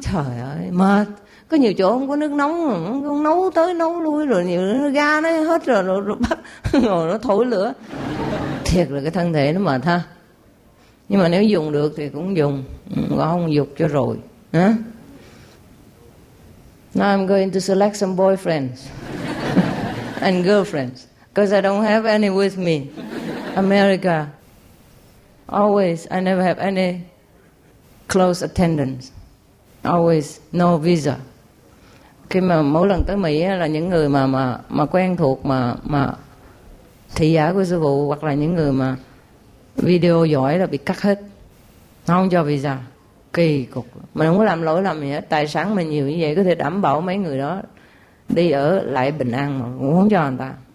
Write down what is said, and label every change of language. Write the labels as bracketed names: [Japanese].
[Vietnamese] Trời ơi mệt. Có nhiều chỗ không có nước nóng, không nấu tới nấu lui rồi nhiều ga nó hết rồi bắt ngồi nó thổi lửa. Thiệt là cái thân thể nó mệt ha. Nhưng mà nếu dùng được thì cũng dùng, còn không dục cho rồi. [English] Now I'm going to select some boyfriends and girlfriends because I don't have any with me. America. Always, I never have any close attendance. Always no visa. [Vietnamese] Khi mà mỗi lần tới Mỹ là những người mà quen thuộc mà thị giả của sư phụ hoặc là những người mà video giỏi là bị cắt hết, nó không cho visa. Kỳ cục, mình không có làm lỗi làm gì hết, tài sản mình nhiều như vậy có thể đảm bảo mấy người đó đi ở lại bình an mà cũng không cho người ta.